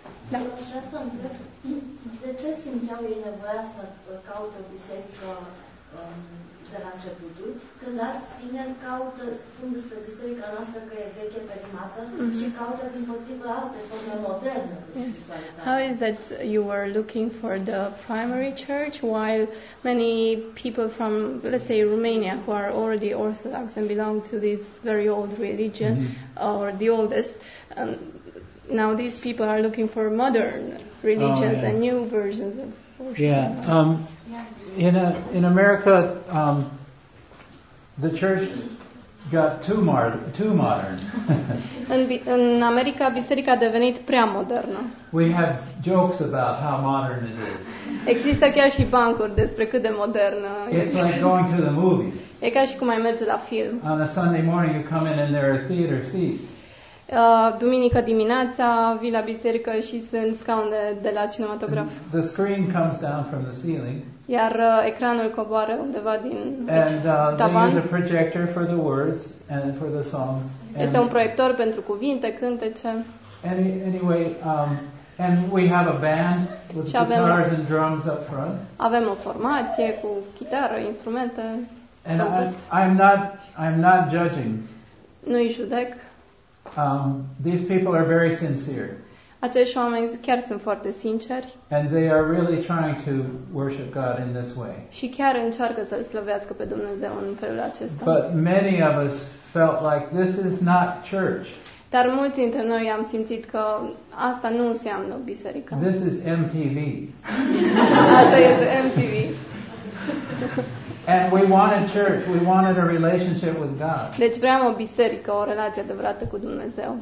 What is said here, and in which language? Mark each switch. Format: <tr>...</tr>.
<ro>Da. Așa să de ce simțeau ei nevoia să caută biserică de la începutul, când alți tineri caută, spun despre biserica noastră că e veche perimată și caută din potrivă alte forme moderne.</ro> <en>Yes. How is that you were looking for the primary church while many people from, let's say, Romania, who are already Orthodox and belong to this very old religion, or the oldest, now these people are looking for modern religions and new versions of worship. Yeah. In America, the church got too modern.</en> <ro>In America, biserica a devenit prea modernă.</ro> <en>We have jokes about how modern it is.</en> <ro>Există chiar și bancuri despre cât de modernă.</ro> <en>It's like going to the movies.</en> <ro>E ca și cum ai merge la film.</ro> <en>On a Sunday morning, you come in and there are theater seats.</en> <ro>Duminica dimineața vii la biserică și sunt scaune de la cinematograf.</ro> <en>And the screen comes down from the ceiling.</en> <ro>Iar ecranul coboară undeva din tavan.</ro> <en>And they use a projector for the words and for the songs.</en> <ro>Este un proiector pentru cuvinte, cântece.</ro> <en>Anyway, and we have a band with guitars and drums up front.</en> <ro>Avem o formație cu chitară, instrumente.</ro> <en>And I'm not judging.</en> <ro>Nu-i judec.</ro> <en>These people are very sincere.</en> <ro>Acești oameni chiar sunt foarte sinceri.</ro> <en>And they are really trying to worship God in this way.</en> <ro>Și chiar încearcă să-L slăvească pe Dumnezeu în felul acesta.</ro> <en>But many of us felt like this is not church.</en> <ro>Dar mulți dintre noi am simțit că asta nu înseamnă biserică.</ro> <en>This is MTV.</en> <ro>Asta este MTV.</ro> <en>And we wanted church. We wanted a relationship with God.</en> <ro>Deci vreau o biserică, o relație adevărată cu Dumnezeu.</ro>